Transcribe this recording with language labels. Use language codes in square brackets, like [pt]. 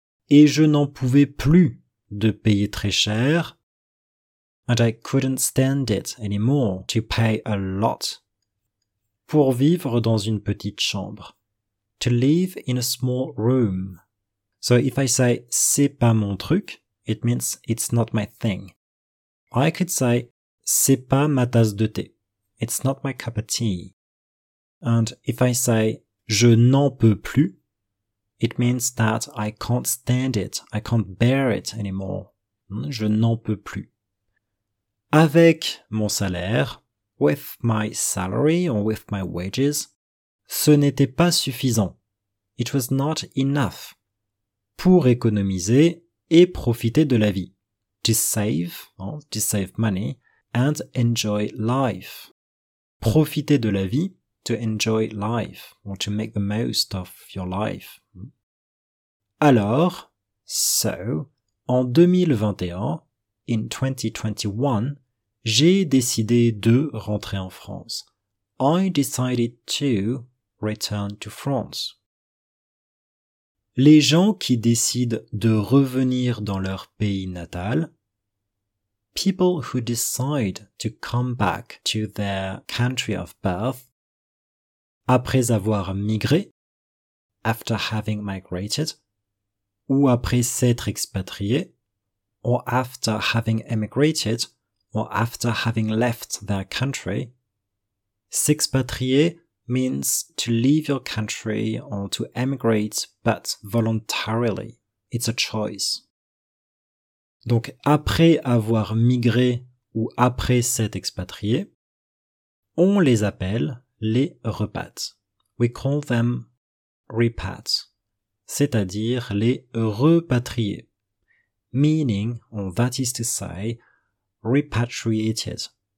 [fr] Et je n'en pouvais plus de payer très cher. [en] And I couldn't stand it anymore to pay a lot. [fr] Pour vivre dans une petite chambre. [en] To live in a small room. So if I say [fr] c'est pas mon truc, [en] it means it's not my thing. I could say [fr] c'est pas ma tasse de thé. [en] It's not my cup of tea. And if I say [fr] je n'en peux plus, [en] it means that I can't stand it, I can't bear it anymore. [fr] Je n'en peux plus. Avec mon salaire, [en] with my salary or with my wages, [fr] ce n'était pas suffisant. [en] It was not enough. [fr] Pour économiser et profiter de la vie. [en] To save money and enjoy life. [fr] Profiter de la vie. [en] To enjoy life or to make the most of your life. [fr] Alors, so, en 2021, in 2021, j'ai décidé de rentrer en France. [en] I decided to return to France. [fr] Les gens qui décident de revenir dans leur pays natal, [en] people who decide to come back to their country of birth, [fr] après avoir migré, [en] after having migrated, [fr] ou après s'être expatrié, [en] or after having emigrated, or after having left their country. S'expatrier means to leave your country or to emigrate, but voluntarily. It's a choice. [fr] Donc, après avoir migré ou après s'être expatrié, on les appelle les repats. [en] We call them repats, [fr] c'est-à-dire les repatriés, [en] meaning, or that is to say, repatriated.